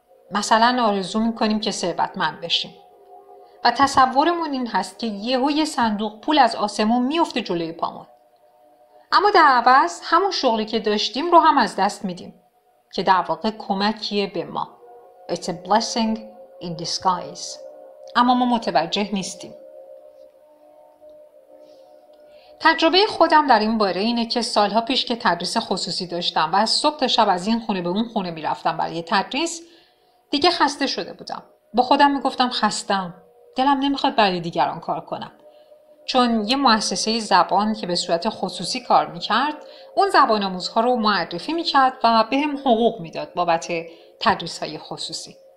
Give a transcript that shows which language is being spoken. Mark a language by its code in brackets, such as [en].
[fa] مثلا آرزو میکنیم که ثروتمند بشیم و تصورمون این هست که یهو یه صندوق پول از آسمون میفته جلوی پامون، اما در عوض همون شغلی که داشتیم رو هم از دست میدیم که در واقع کمکیه به ما. [en] It's a blessing in disguise. اما ما متوجه نیستیم. [fa] تجربه خودم در این باره اینه که سالها پیش که تدریس خصوصی داشتم و از صبح تا شب از این خونه به اون خونه میرفتم برای تدریس، دیگه خسته شده بودم. با خودم میگفتم خستم. دلم نمیخواد برای دیگران کار کنم. چون یه مؤسسه زبان که به صورت خصوصی کار میکرد، اون زبان آموزها رو معرفی میکرد و بهم حقوق میداد بابت تدریس های خصوصی.